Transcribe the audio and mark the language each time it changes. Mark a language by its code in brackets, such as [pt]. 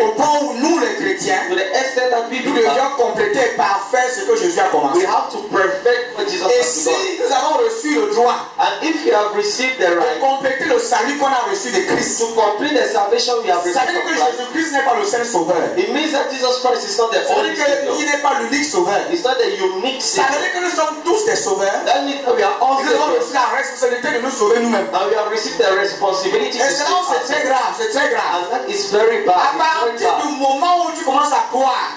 [fr] Au point où nous les chrétiens, [en] to the extent that we [fr] nous devions compléter et parfait ce que Jésus a commencé. [en] We have to perfect what Jesus [fr] et [en] has [fr] si [en] done. [fr] Et si nous avons reçu le droit, [en] and if you have received the right, [fr] de compléter le salut qu'on a reçu de Christ, [en] to complete the salvation we have received, [fr] ça veut dire que Jésus Christ n'est pas le seul sauveur. [en] It means that Jesus Christ is not the only Savior. [fr] Il n'est pas l'unique sauveur. [en] It's not the unique Savior. [fr] Ça veut dire que nous sommes tous des sauveurs. [en] That means that we are all saved. [fr] Nous avons reçu la responsabilité de nous sauver nous-mêmes. [en] And we have received the responsibility. [fr] Et c'est là où c'est très grave. C'est très grave. [en] And that is very bad. [fr] À partir du moment où tu commences à croire,